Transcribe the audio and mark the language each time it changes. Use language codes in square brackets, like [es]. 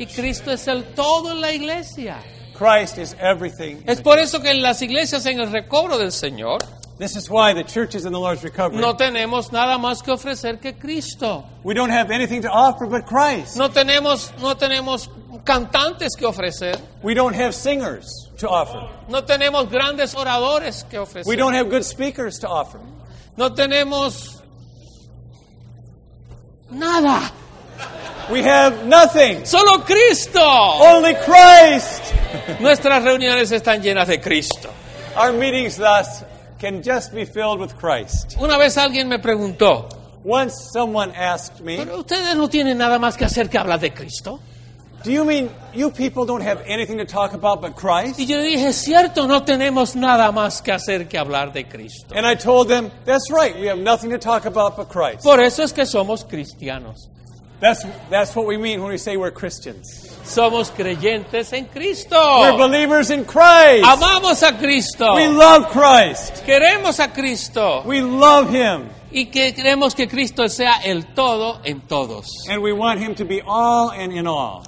[es] Y Cristo es el todo en la iglesia. [en] Christ is everything. [es] Es por eso que en las iglesias en el recobro del Señor, [en] this is why the church is in the Lord's recovery. [es] No tenemos nada más que ofrecer que Cristo. [en] We don't have anything to offer but Christ. [es] No tenemos cantantes que ofrecer. [en] We don't have singers to offer. [es] No tenemos grandes oradores que ofrecer. [en] We don't have good speakers to offer. [es] No tenemos nada. [en] We have nothing. [es] Solo Cristo. [en] Only Christ. [es] Nuestras reuniones están llenas de Cristo. [en] Our meetings thus can just be filled with Christ. [es] Una vez alguien me preguntó, [en] Once someone asked me, [es] ¿pero ustedes no tienen nada más que hacer que hablar de Cristo? [en] Do you mean you people don't have anything to talk about but Christ? [es] Y yo dije, cierto, no tenemos nada más que hacer que hablar de Cristo. [en] And I told them, that's right, we have nothing to talk about but Christ. [es] Por eso es que somos cristianos. [en] That's what we mean when we say we're Christians. [es] Somos creyentes en Cristo. [en] We're believers in Christ. [es] Amamos a Cristo. [en] We love Christ. [es] Queremos a Cristo. [en] We love Him. [es] Y que queremos que Cristo sea el todo en todos. [en] And we want Him to be all and in all.